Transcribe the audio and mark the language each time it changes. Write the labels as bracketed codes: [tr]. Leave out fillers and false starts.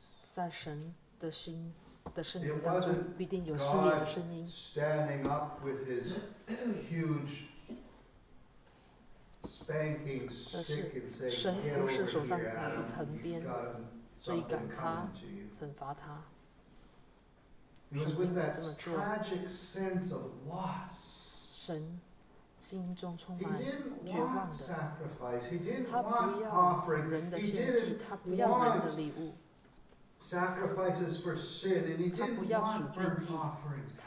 [zh] 在神的心的声音当中，必定有撕裂的声音。 [en] Standing up with his huge spanking stick and saying, [zh] 神不是手上拿着藤鞭追赶他、惩罚他。神没有这么做。神心中充满绝望的，他不要人的献祭，他不要人的礼物。 [en] Sacrifices for sin, and he didn't want burnt offerings.